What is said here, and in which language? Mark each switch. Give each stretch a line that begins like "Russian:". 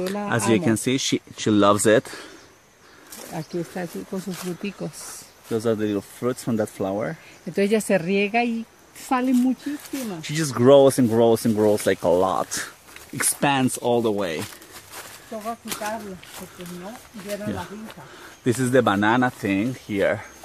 English: As you can see, she loves it.
Spanish: Aquí está así con sus fruticos.
English: Those are the little fruits from that flower.
Spanish: Entonces ya se riega y sale muchísima.
English: She just grows and grows and grows like a lot. Expands all the way.
Spanish: Toca quitarlo, porque no dieron la pinta.
English: This is the banana thing here.